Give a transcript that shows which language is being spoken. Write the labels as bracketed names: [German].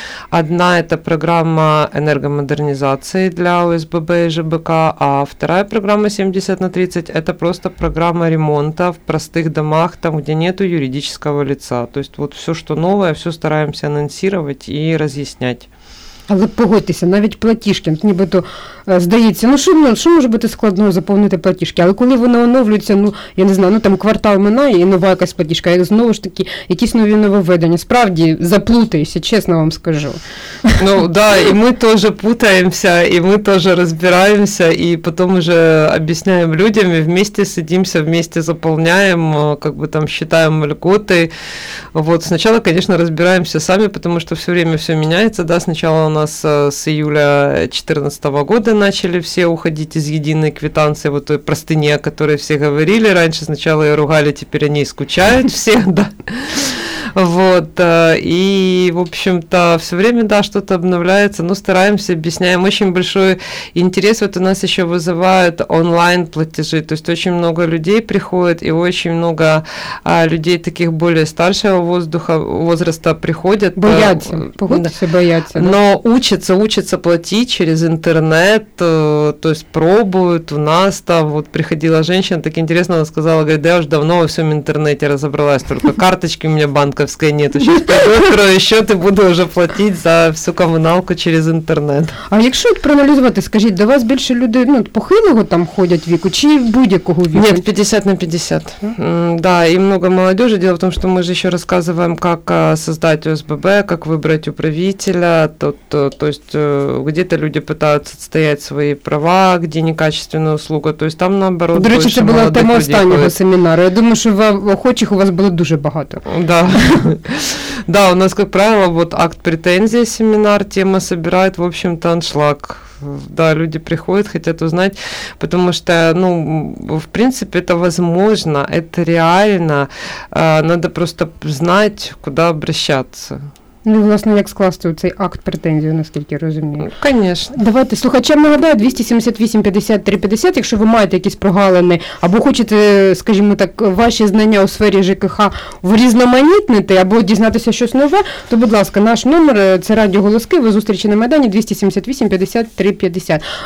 [Russian] Одна – это программа энергомодернизации для ОСББ и ЖБК, а вторая программа 70 на 30 – это просто программа ремонта в простых домах, там, где нету юридического лица. То есть вот все, что новое, все стараемся анонсировать и разъяснять. [Ukrainian] Але погодьтеся, навіть платіжки, нібито здається, ну що, що може бути складно заповнити платіжки, але коли вони оновлюються, ну, я не знаю, ну там квартал минає і нова якась платіжка, і знову ж таки, якісь нові нововведення, справді заплутаюся, чесно вам скажу. Ну, да, і ми теж путаємося, і ми теж розбираємося, і потім вже об'ясняємо людям, і [Russian] вместе сидимося, вместе [Ukrainian] заповняємо, [Russian] как бы там [Ukrainian] считаємо льготи. [Russian] Вот, [Ukrainian] спочатку, звісно, розбираємося самі, тому що [Russian] все время все міняється, да, спочатку у нас с июля 2014 года начали все уходить из единой квитанции, вот той простыни, о которой все говорили раньше, сначала ее ругали, теперь о ней скучают все, да. Вот, и, в общем-то, все время, да, что-то обновляется, но стараемся, объясняем. Очень большой интерес вот у нас еще вызывают онлайн-платежи, то есть очень много людей приходит, и очень много людей таких более старшего возраста приходят. Боятся. Но учатся платить через интернет, то есть пробуют. У нас там вот приходила женщина, так интересно, она сказала, говорит, да я уже давно во всем интернете разобралась, только карточки у меня банковской нету, сейчас пойду открою счет и буду уже платить за всю коммуналку через интернет. [Ukrainian] А якщо проаналізувати, скажіть, до вас більше людей, ну, похилого там ходять віку, чи будь-якого віку? [Russian] Нет, 50 на 50. Да, и много молодежи. Дело в том, что мы же еще рассказываем, как создать ОСББ, как выбрать управителя. То есть где-то люди пытаются отстоять свои права, где некачественная услуга. То есть там, наоборот, [Ukrainian] до речі, це була тема останнього семінару. Я думаю, що охочих у вас було дуже багато. [Russian] Да. Да, у нас, как правило, вот акт претензий семинар, тема собирает, в общем-то, аншлаг. Да, люди приходят, хотят узнать, потому что, ну, в принципе, это возможно, это реально, надо просто знать, куда обращаться. [Ukrainian] Ну, власне, як скласти у цей акт претензії, наскільки розумію. [Russian] Конечно. [Ukrainian] Давайте, слухачам нагадаю, 278-53-50, якщо ви маєте якісь прогалини, або хочете, скажімо так, ваші знання у сфері ЖКХ врізноманітнити, або дізнатися щось нове, то, будь ласка, наш номер, це радіо «Голоски», ви зустрічі на Майдані, 278-53-50.